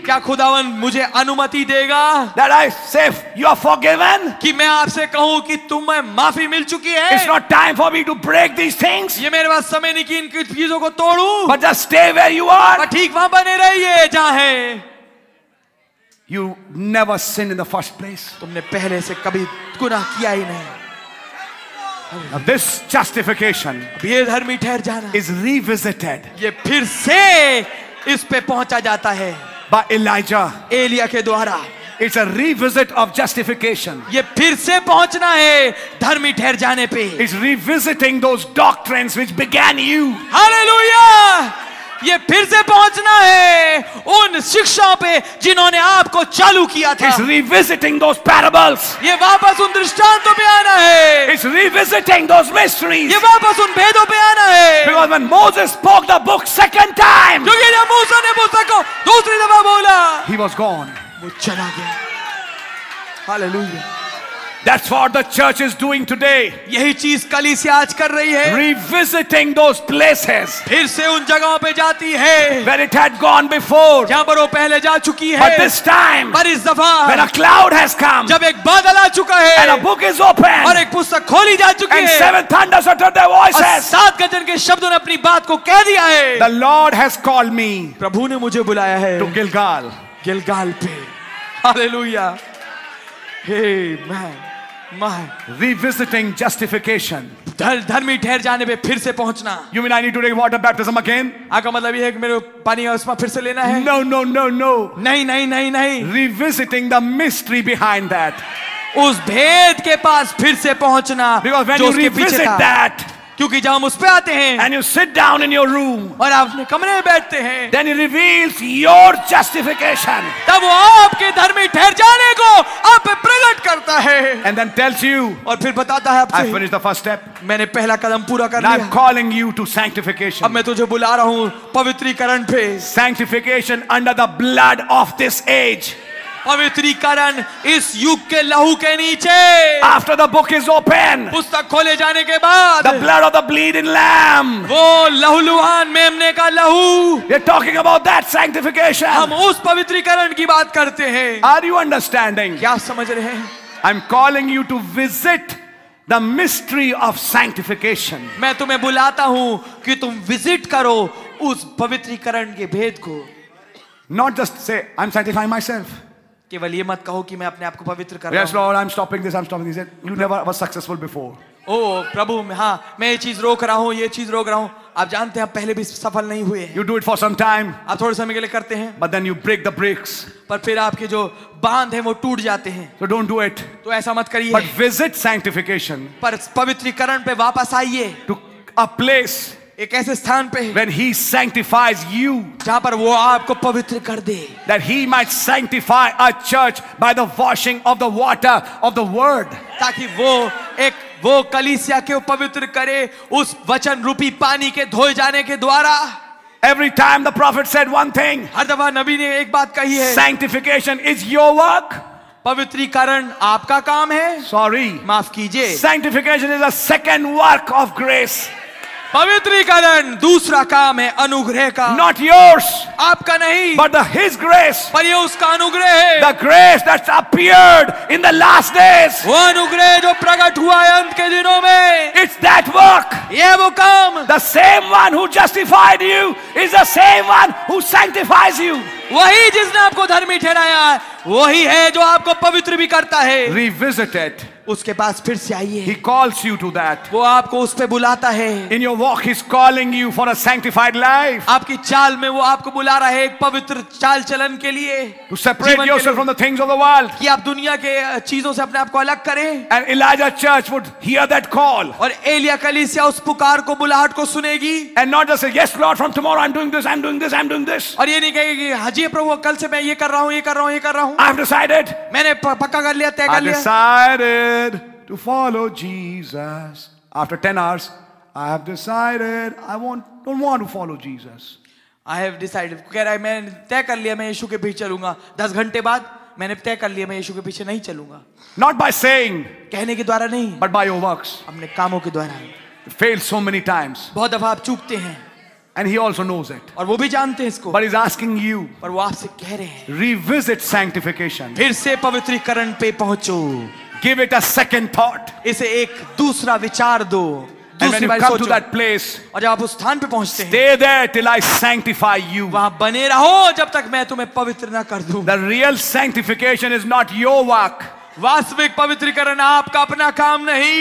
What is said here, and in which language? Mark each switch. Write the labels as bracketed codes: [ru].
[hi] क्या खुदावन मुझे अनुमति देगा? [en] That I say you are forgiven. [hi] कि मैं आपसे कहूँ कि तुम्हें माफी मिल चुकी है. [en] It's not time for me to break these things. [hi] ये मेरे पास समय नहीं कि इन चीजों को तोड़ूं. [en] But just stay where you are. [hi] ठीक वहाँ बने रहिए जहाँ हैं. [en] You never sinned in the first place. [hi] तुमने पहले से कभी गुनाह किया ही नहीं. [en] Now this justification. [hi] ये धर्मी ठहर जाना. [en] Is revisited. [hi] ये फिर से इस पे पहुंचा जाता है. [en] By Elijah. [hi] एलिया के द्वारा. [en] It's a revisit of justification. [hi] ये फिर से पहुंचना है धर्मी ठहर जाने पे. [en] It's revisiting those doctrines which began you. Hallelujah. [hi] ये फिर से पहुंचना है उन शिक्षाओं पे जिन्होंने आपको चालू किया था. [en] It's revisiting those parables. [hi] ये वापस उन दृष्टांतों पे आना है. [en] It's revisiting those mysteries. [hi] ये वापस उन भेदों पे आना है. [en] Because when Moses spoke the book second time. [hi] क्योंकि जब मूसा ने पुस्तक को दूसरी दफा बोला. [en] He was gone. [hi] वो चला गया. Hallelujah. [en] That's what the church is doing today. [hi] यही चीज कलीसिया आज कर रही है. [en] Revisiting those places. [hi] फिर से उन जगहों पे जाती है. [en] Where it had gone before. [hi] जहाँ पर वो पहले जा चुकी है. [en] But this time. [hi] पर इस दफा. [en] When a cloud has come. [hi] जब एक बादल आ चुका है. [en] And a book is open. [hi] और एक पुस्तक खोली जा चुकी [en] and [hi] है. [en] And seven thunders uttered their voices. [hi] और सात गजन के शब्दों ने अपनी बात को कह दिया है. [en] The Lord has called me. [hi] प्रभु ने मुझे बुलाया है. [en] To Gilgal. Gilgal पे. Hallelujah. Hey man. My revisiting justification. [hi] धर्मी ठहर जाने पे फिर से पहुंचना. [en] You mean I need to take water baptism again? [hi] आपका मतलब ये है कि मेरे पानी और उसमें फिर से लेना है? [en] No, no, no, no. [hi] नहीं, नहीं, नहीं, नहीं. [en] Revisiting the mystery behind that. [hi] उस भेद के पास फिर से पहुंचना. [en] Because when you revisit that. [hi] क्योंकि जब हम उस पे आते हैं. [en] And you sit down in your room. [hi] और आप अपने कमरे में बैठते हैं. [en] Then it reveals your justification. [hi] तब वो आपके धर्मी ठहर जाने को आप पे प्रकट करता है. [en] And then tells you. [hi] और फिर बताता है आपसे. [en] I finished the first step. [hi] मैंने पहला कदम पूरा कर लिया. [en] I'm calling you to sanctification. [hi] अब मैं तुझे बुला रहा हूँ पवित्रीकरण पे. [en] Sanctification under the blood of this age. [hi] पवित्रीकरण इस युग के लहू के नीचे. [en] After the book is open, [hi] पुस्तक खोले जाने के बाद. [en] The blood of the bleeding lamb, [hi] वो लहूलुहान मेमने का लहू. [en] We're talking about that sanctification. [hi] हम उस पवित्रीकरण की बात करते हैं. [en] Are you understanding? [hi] क्या समझ रहे हैं? [en] I'm calling you to visit the mystery of sanctification. [hi] मैं तुम्हें बुलाता हूँ कि तुम विजिट करो उस पवित्रीकरण के भेद को. [en] Not just say I'm sanctifying myself. [hi] केवल ये मत कहो कि मैं अपने आप को पवित्र कर रहा हूं. [en] Yes, Lord, I'm stopping this, I'm stopping this. You never was successful before. [hi] Oh, प्रभु हाँ मैं ये चीज रोक रहा हूँ. आप जानते हैं पहले भी सफल नहीं हुए. [en] You do it for some time. [hi] आप थोड़े समय के लिए करते हैं. [en] But then you break the bricks. [hi] पर फिर आपके जो बांध हैं वो टूट जाते हैं. [en] So don't do it. [hi] तो ऐसा मत करिए. [en] But visit sanctification. [hi] पर पवित्रीकरण पे वापस आइए. [en] To a place. [hi] एक ऐसे स्थान पे [en] when he sanctifies you, [hi] जहां पर वो आपको पवित्र कर दे. [en] That he might sanctify a church by the washing of the water of the word. [hi] ताकि वो एक वो कलीसिया के पवित्र करे उस वचन रूपी पानी के धोए जाने के द्वारा. [en] Every time the prophet said one thing, [hi] हर दफा नबी ने एक बात कही है. [en] Sanctification is your work. [hi] पवित्रीकरण आपका काम है. [en] Sorry, [hi] माफ कीजिए. [en] Sanctification is a second work of grace. [hi] पवित्रीकरण दूसरा काम है अनुग्रह का. [en] Not yours, [hi] आपका नहीं. [en] But the His grace, [hi] पर ये उसका अनुग्रह है. [en] The grace that's appeared in the last days, [hi] वो अनुग्रह जो प्रकट हुआ है अंत के दिनों में. [en] It's that work, [hi] ये वो काम. [en] The same one who justified you is the same one who sanctifies you. [hi] वही जिसने आपको धर्मी ठहराया है वही है जो आपको पवित्र भी करता है. [en] Revisit it. [hi] उसके पास फिर से आइए. [en] He calls you to that. [hi] वो आपको उस पे बुलाता है. [en] In your walk, he's calling you for a sanctified life. [hi] आपकी चाल में वो आपको बुला रहा है एक पवित्र चाल चलन के लिए. [en] To separate yourself from the things of the world. [hi] कि आप दुनिया के चीजों से अपने आप को अलग करें. [en] And Elijah Church would hear that call. [hi] और एलिया कलीसिया उस पुकार को बुलाहट को सुनेगी. [en] And not just say, yes, Lord, from tomorrow I'm doing this. [hi] और ये नहीं कहेगी हजी प्रभु कल से मैं ये कर रहा हूँ. [en] I've decided. [hi] मैंने पक्का कर लिया, तय कर लिया. [en] To follow Jesus. After 10 hours, I have decided I don't want to follow Jesus. I have decided. [hi] कह रहा है मैं तय कर लिया मैं यीशु के पीछे चलूंगा. 10 घंटे बाद मैंने तय कर लिया मैं यीशु के पीछे नहीं चलूंगा. [en] Not by saying. [hi] कहने के द्वारा नहीं. [en] But by your works. [hi] अपने कामों के द्वारा. [en] Fail so many times. [hi] बहुत दफा आप चूकते हैं. [en] And he also knows it. [hi] और वो भी जानते हैं इसको. [en] But he's asking you. [hi] पर वो आपसे कह रहे हैं. [en] Revisit sanctification. [hi] फिर से पवित्रीकरण पे पहुंचो. [en] Give it a second thought. [hi] इसे एक दूसरा विचार दो. [en] And when you come to that place, [hi] और जब आप उस स्थान पे पहुंचते हैं, [en] stay there till I sanctify you. [hi] वहाँ बने रहो जब तक मैं तुम्हें पवित्र ना कर दूँ. [en] The real sanctification is not your work. [hi] वास्तविक पवित्रीकरण आपका अपना काम नहीं.